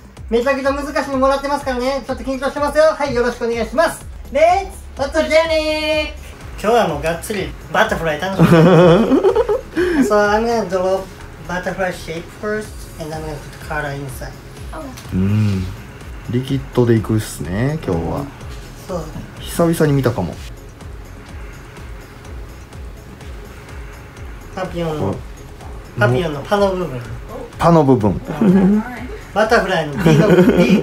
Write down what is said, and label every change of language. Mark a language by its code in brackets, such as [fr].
[ja] めちゃくちゃ難しいのもらってますからね。ちょっと緊張してますよ。はい、よろしくお願いします。 [en] Let's go to Jenny. [ja] 今日はもうがっつりバタフライ楽しみ。 [en] So I'm gonna draw butterfly shape first and I'm gonna put color inside. [ja] リキッドでいくっすね今日は。そう、久々に見たかも。パピオンのパの部分。パの部分。バタフライの B の部分。